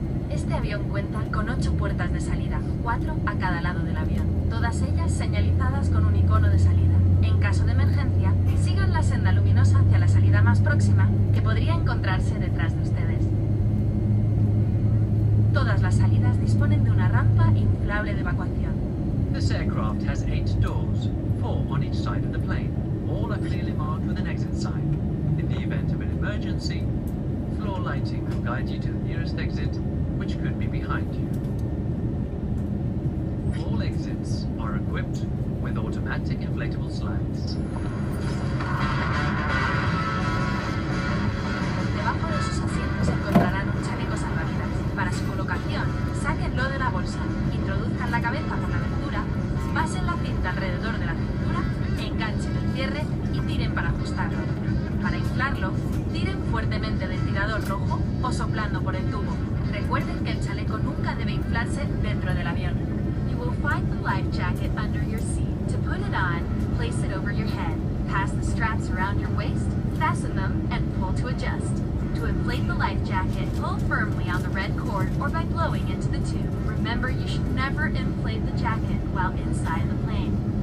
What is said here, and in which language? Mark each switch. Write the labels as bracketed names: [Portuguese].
[Spanish] Este avión cuenta con 8 puertas de salida, 4 a cada lado del avión, todas ellas señalizadas con un icono de salida. En caso de emergencia, sigan la senda luminosa hacia la salida más próxima, que podría encontrarse detrás de ustedes. Todas las salidas disponen de una rampa inflable de evacuación. [English] This aircraft has 8 doors, 4 on each side of the plane, all are clearly marked with an exit sign. In the event of an emergency, floor lighting will guide you to the nearest exit, which could be behind you. All exits are equipped with automatic inflatable slides. [Spanish] Debajo de sus asientos encontrarán un chaleco salvavidas. Para su colocación, sáquenlo de la bolsa, introduzcan la cabeza por la abertura, pasen la cinta alrededor de la cintura, enganchen el cierre y tiren para ajustarlo. Para inflarlo, tiren fuertemente del tirador rojo o soplando por el tubo. Recuerden que el chaleco nunca debe inflarse dentro del avión. [English] You will find the life jacket under your seat. To put it on, place it over your head. Pass the straps around your waist, fasten them, and pull to adjust. To inflate the life jacket, pull firmly on the red cord or by blowing into the tube. Remember, you should never inflate the jacket while inside the plane.